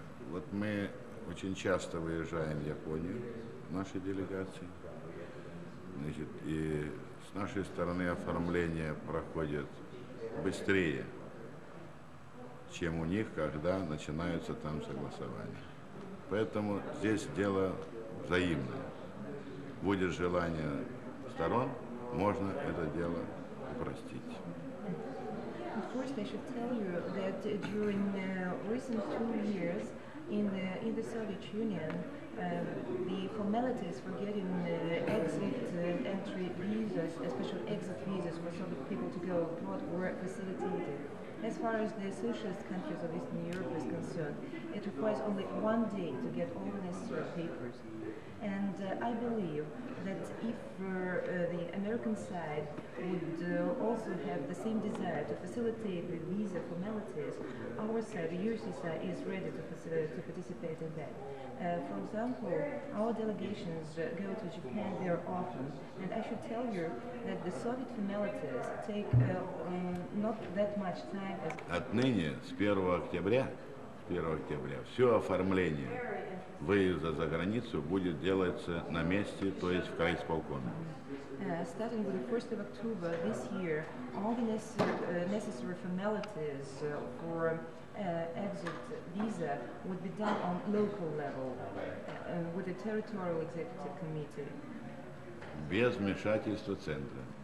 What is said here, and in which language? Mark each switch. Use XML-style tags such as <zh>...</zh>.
<ru>Вот мы очень часто выезжаем в Японию, нашей делегации, значит, и с нашей стороны оформление проходит быстрее, чем у них, когда начинаются там согласования. Поэтому здесь дело взаимное. Будет желание сторон, можно это дело упростить.</ru> <en>Of course, I should tell you that during the recent 2 years in the Soviet Union, the formalities for getting exit and entry visas, special exit visas for some people to go abroad were facilitated. As far as the socialist countries of Eastern Europe is concerned, it requires only one day to get all the necessary papers. And I believe that if the American side would also have the same desire to facilitate the visa formalities, our side, the USSR, is ready to participate in that. For example, our delegations go to Japan there often, and I should tell you that the Soviet formalities take not that much time.</en> <ru>Отныне, с 1 октября, все оформление выезда за границу будет делаться на месте, то есть в крайисполкоме.</ru> <en>Starting with the 1st of October this year, all the necessary formalities for exit visa would be done on local level with the territorial executive committee.</en> <ru>Без вмешательства центра.</ru>